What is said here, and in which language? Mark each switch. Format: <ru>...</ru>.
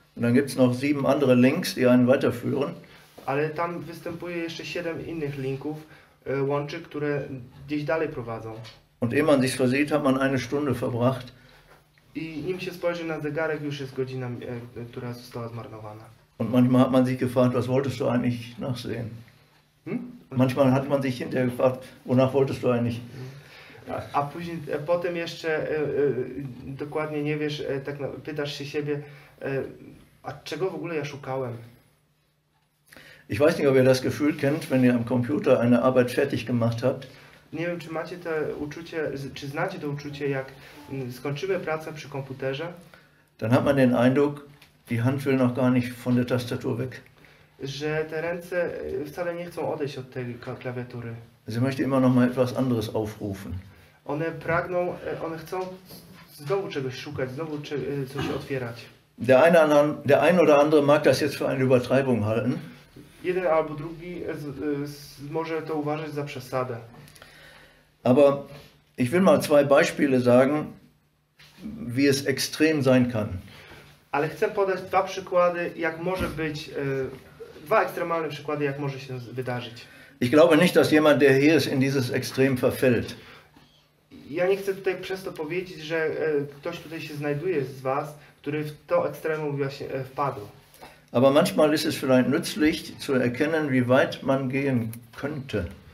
<de>Und dann gibt's noch sieben andere Links, die einen weiterführen.</de> <pl>Ale tam występuje jeszcze 7 innych linków, łączy, które gdzieś dalej prowadzą.</pl> <de>Und ehe man sich versieht, hat man eine Stunde verbracht.</de> <pl>I nim się spojrzy na zegarek, już jest godzina, która została zmarnowana.</pl> <de>Und manchmal hat man sich gefragt, was wolltest du eigentlich nachsehen? Manchmal hat man sich hinterher gefragt, wonach wolltest du eigentlich?</de> <pl>A później, potem jeszcze dokładnie nie wiesz, tak pytasz się siebie, a czego w ogóle ja szukałem?</pl> <de>Ich weiß nicht, ob ihr das Gefühl kennt, wenn ihr am Computer eine Arbeit fertig gemacht habt.</de> <pl>Nie wiem, czy macie to uczucie, czy znacie to uczucie, jak skończymy pracę przy komputerze.</pl> <de>Dann hat man den Eindruck, die Hand will noch gar nicht von der Tastatur weg.</de> <pl>Że te ręce wcale nie chcą odejść od tej klawiatury.</pl> <de>Sie möchte immer noch mal etwas anderes aufrufen.</de> <pl>One pragną, one chcą znowu czegoś szukać, znowu coś otwierać.</pl> <de>Der ein oder andere mag das jetzt für eine Übertreibung halten.</de> <pl>Jeden albo drugi może to uważać za przesadę.</pl> <de>Aber Ich will mal zwei Beispiele sagen, wie es extrem sein kann.</de> <pl>Ale chcę podać dwa przykłady, jak może być, dwa ekstremalne przykłady, jak może się wydarzyć.</pl> <de>Ich glaube nicht, dass jemand, der hier ist, in dieses Extrem verfällt.</de> <pl>Ja nie chcę tutaj przez to powiedzieć, że ktoś tutaj się znajduje z was, który w to ekstremum właśnie wpadł.</pl> <de>Aber manchmal ist es vielleicht nützlich zu erkennen, wie weit man gehen könnte.</de>